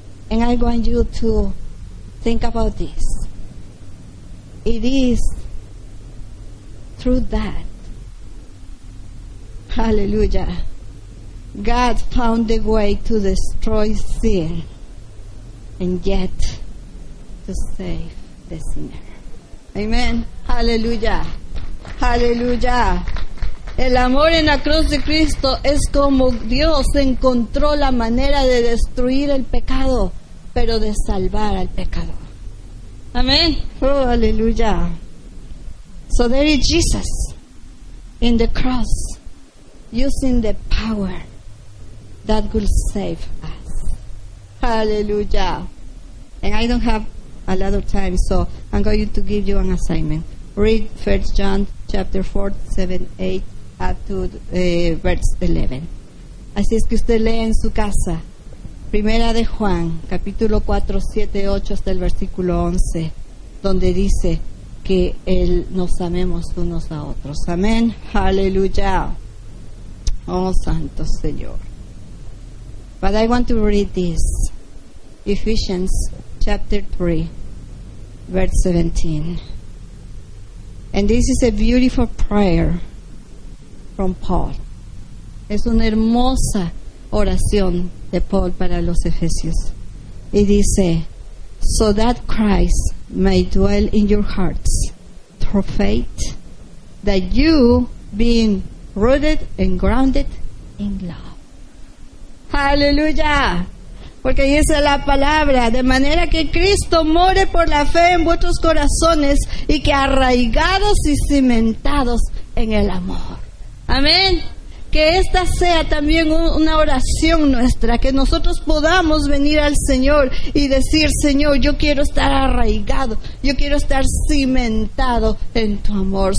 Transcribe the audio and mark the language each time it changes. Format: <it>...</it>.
<en>And I want you to think about this. It is through that, hallelujah, God found the way to destroy sin and yet to save the sinner. Amen. Hallelujah. Hallelujah.</en> <es>El amor en la cruz de Cristo es como Dios encontró la manera de destruir el pecado, pero de salvar al pecador. Amén. Oh, aleluya.</es> <en>So there is Jesus in the cross using the power that will save us. Aleluya. And I don't have a lot of time, so I'm going to give you an assignment. Read 1 John chapter 4, 7, 8. Up to verse 11.</en> <es>Así es que usted lea en su casa. Primera de Juan, capítulo 4, 7, 8, hasta el versículo 11, donde dice que él nos amemos unos a otros. Amén. Aleluya. Oh, santo Señor.</es> <en>But I want to read this. Ephesians, chapter 3, verse 17. And this is a beautiful prayer from Paul.</en> <es>Es una hermosa oración de Paul para los Efesios. Y dice,</es> <en>so that Christ may dwell in your hearts through faith, that you being rooted and grounded in love.</en> <es>Aleluya. Porque dice la palabra, de manera que Cristo more por la fe en vuestros corazones y que arraigados y cimentados en el amor. Amén. Que esta sea también una oración nuestra, que nosotros podamos venir al Señor y decir, Señor, yo quiero estar arraigado, yo quiero estar cimentado en tu amor.</es>